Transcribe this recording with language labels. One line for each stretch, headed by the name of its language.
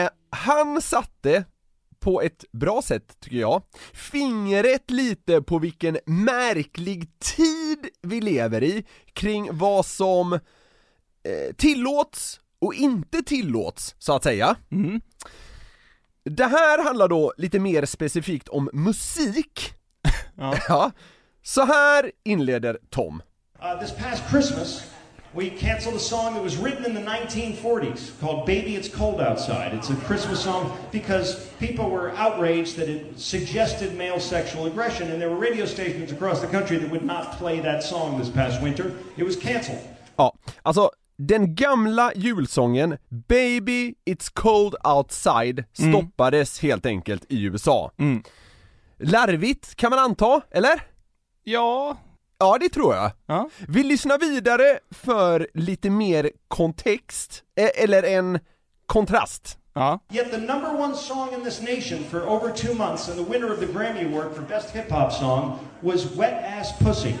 Swedish: Han satte, på ett bra sätt tycker jag, fingret lite på vilken märklig tid vi lever i kring vad som tillåts och inte tillåts, så att säga. Mm. Det här handlar då lite mer specifikt om musik. Ja. Så här inleder Tom.
English: This past Christmas, we canceled a song that was written in the 1940s called Baby, It's Cold Outside. It's a Christmas song because people were outraged that it suggested male sexual aggression, and there were radio stations across the country that would not play that song this past winter. It was canceled.
Swedish: Ja, alltså, den gamla julsången Baby, It's Cold Outside stoppades helt enkelt i USA. Mm. Larvigt kan man anta, eller? Ja. Ja, det tror jag. Ja. Vi lyssnar vidare för lite mer kontext, eller en kontrast. Ja.
English: Yet the number one song in this nation for over 2 months and the winner of the Grammy Award for best hip hop song was Wet Ass Pussy.